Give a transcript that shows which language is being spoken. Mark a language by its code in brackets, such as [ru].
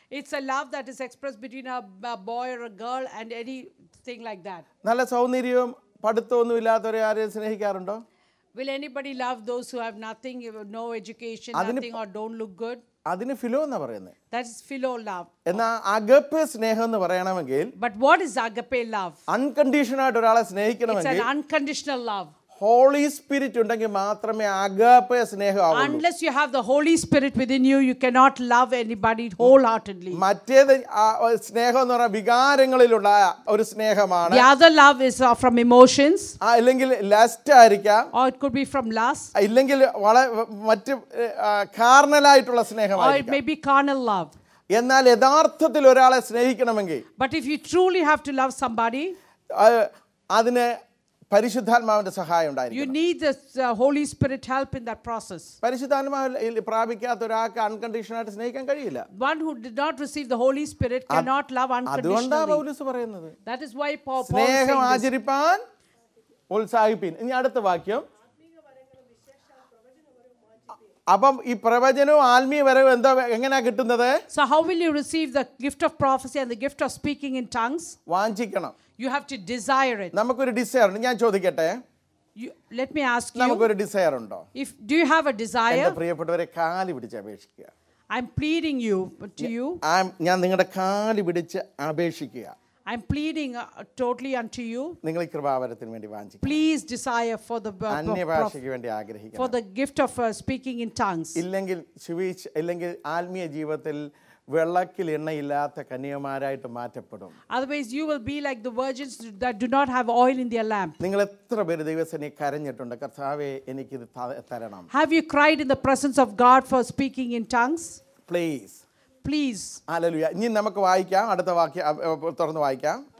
[en] It's a love that is express between a boy or a girl and anything like that. [ml] നല്ല സൗന്ദര്യവും പഠിത്തമൊന്നും ഇല്ലാത്തവരെ ആരെയും സ്നേഹിക്കാറുണ്ടോ? [en] Will anybody love those who have nothing, no education, nothing, or don't look good? [ml] അതിനെ Philo എന്ന് പറയുന്നത്. [en] That is philo love. [ml] എന്നാ Agape സ്നേഹം എന്ന് പറയണമെങ്കിൽ, [en] But what is agape love? [ml] Unconditional ആയിട്ട് ഒരാളെ സ്നേഹിക്കണമെങ്കിൽ, [en] It's an unconditional love. [ml] Holy spirit ഉണ്ടെങ്കിൽ മാത്രമേ അഗാപ്പയ സ്നേഹമാവൂ. [en] Unless you have the Holy Spirit within you, you cannot love anybody wholeheartedly. [ml] മറ്റേ സ്നേഹം എന്ന് പറഞ്ഞാൽ വികാരങ്ങളിലുള്ള ഒരു സ്നേഹമാണ്. [en] The other love is from emotions. [ml] അല്ലെങ്കിൽ lust ആയിരിക്കാം. [en] Or it could be from lust. [ml] അല്ലെങ്കിൽ വളരെ മറ്റ് കാർണലായിട്ടുള്ള സ്നേഹമായിരിക്കാം. [en] Or it may be carnal love. [ml] എന്നാൽ യഥാർത്ഥത്തിൽ ഒരാളെ സ്നേഹിക്കണമെങ്കിൽ, [en] But if you truly have to love somebody, [ml] അതിനെ പരിശുദ്ധാത്മാവിന്റെ സഹായം ഉണ്ടായിരിക്കണം. [en] You need the Holy Spirit help in that process. [ml] പരിശുദ്ധാത്മാവ് പ്രാപിക്കാത്ത ഒരാൾക്ക് അൺകണ്ടീഷണൽ ആയിട്ട് സ്നേഹിക്കാൻ കഴിയില്ല. [en] One who did not receive the Holy Spirit cannot love unconditionally. That is why Paul says, [ml] സ്നേഹം ആചരിപ്പാൻ ഉത്സാഹിപ്പിൻ. ഇനി അടുത്ത വാക്യം, അപ്പം ഈ പ്രവചനവും ആത്മീയ വരവും എന്താ എങ്ങനെയാ കിട്ടുന്നത്? [en] So how will you receive the gift of prophecy and the gift of speaking in tongues? [ml] വാഞ്ചിക്കണം. [en] You have to desire it. [ml] നമുക്ക് ഒരു ഡിസയർ ഉണ്ട്. ഞാൻ ചോദിക്കട്ടെ, [en] let me ask you, [ml] നമുക്ക് ഒരു ഡിസയർ ഉണ്ടോ? [en] If do you have a desire? [ml] എന്റെ പ്രിയപ്പെട്ടവരെ, കാലി പിടിച്ച് അപേക്ഷിക്കുക. [en] I'm pleading you, but to you, [ml] ഞാൻ നിങ്ങളുടെ കാലി പിടിച്ച് അപേക്ഷിക്കുക. [en] I'm pleading totally unto you, [ml] നിങ്ങളെ കൃപാവരത്തിന് വേണ്ടി വാഞ്ചിക്കുക. [en] Please desire for the [ml] അന്യഭാഷയ്ക്ക് വേണ്ടി ആഗ്രഹിക്കുക, [en] for the gift of speaking in tongues. [ml] ഇല്ലെങ്കിൽ സുവിശേഷം, ഇല്ലെങ്കിൽ ആത്മീയ ജീവിതത്തിൽ വെള്ളക്കിൽ എണ്ണയില്ലാത്ത കന്യമാരായിട്ട് മാറ്റപ്പെടും. [en] Otherwise you will be like the virgins that do not have oil in their lamp. [ml] നിങ്ങൾ എത്ര പേര് ദൈവസനെ കരഞ്ഞിട്ടുണ്ട്, കർത്താവേ എനിക്ക് ഇത് തരണം. [en] Have you cried in the presence of God for speaking in tongues? Please. Hallelujah. [ml] ഇനി നമുക്ക് വായിക്കാം, അടുത്ത വാക്യം തുറന്ന് വായിക്കാം.